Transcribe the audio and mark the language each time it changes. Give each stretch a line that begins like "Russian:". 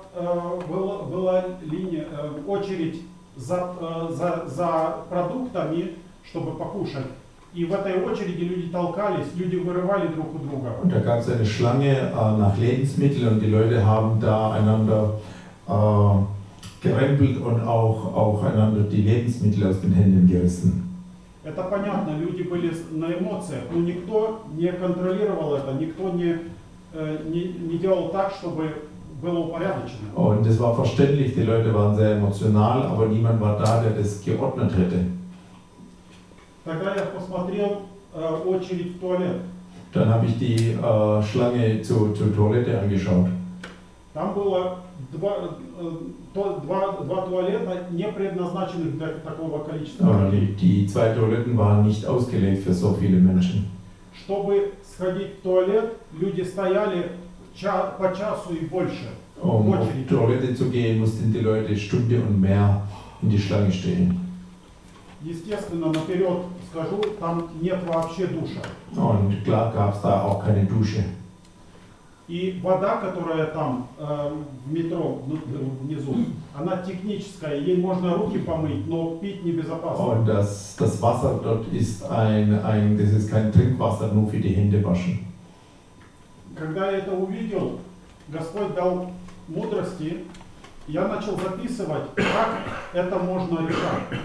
Russian: Была линия, очередь за продуктами, чтобы покушать. И в этой очереди люди толкались, люди вырывали друг у друга.
German: Und da gab es eine Schlange nach Lebensmitteln und die Leute haben da einander gerempelt und auch einander die Lebensmittel aus den Händen gerissen.
Russian: Это понятно, люди были на эмоциях, но никто не контролировал это, никто не делал так, чтобы было упорядочено.
German: Und es war verständlich, die Leute waren sehr emotional, aber niemand war da, der das geordnet hätte.
Russian: Тогда я посмотрел очередь в туалет.
German: Dann habe ich die Schlange zur Toilette angeschaut.
Russian: Там было два туалета, не предназначенных для такого количества людей.
German: Die zwei Toiletten waren nicht ausgelegt für so viele Menschen.
Russian: Чтобы сходить в туалет, люди стояли по часу и больше.
German: Um auf die Toilette zu gehen, mussten die Leute Stunde und mehr in die Schlange stehen.
Russian: Естественно, наперед скажу, там нет вообще душа.
German: Und klar gab es da auch keine Dusche.
Russian: И вода, которая там в метро внизу, она техническая, ей можно руки помыть, но пить небезопасно.
German: Und das Wasser dort ist ein das ist kein Trinkwasser, nur für die Hände waschen.
Russian: Когда я это увидел, Господь дал мудрости, я начал записывать, как это можно решать.